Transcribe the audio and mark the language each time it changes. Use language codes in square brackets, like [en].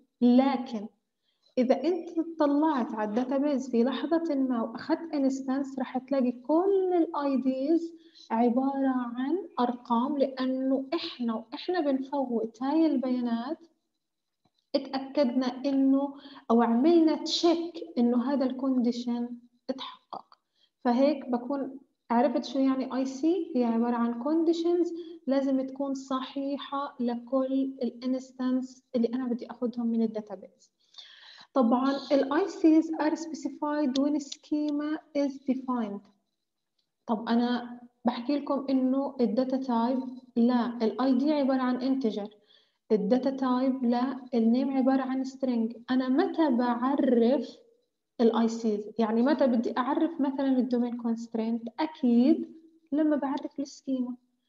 [ar] لكن إذا أنت طلعت على الـ database في لحظة ما وأخذت instance، رح تلاقي كل الـ IDs عبارة عن أرقام، لأنه إحنا وإحنا بنفوت هاي البيانات اتأكدنا إنه أو عملنا check إنه هذا الـ condition اتحقق. فهيك بكون عرفت شو يعني IC؟ هي عبارة عن conditions لازم تكون صحيحة لكل الـ instance اللي أنا بدي أخذهم من الـ database. [en] طبعاً الـ ICs are specified when schema is defined. [ar] طب أنا بحكي لكم إنه الـ data type، لا، الـ ID عبارة عن integer. الـ data type، لا، الـ name عبارة عن string. أنا متى بعرف الـ ICs؟ يعني متى بدي أعرف مثلاً الـ Domain Constraint؟ أكيد لما بعرف الـ Schema.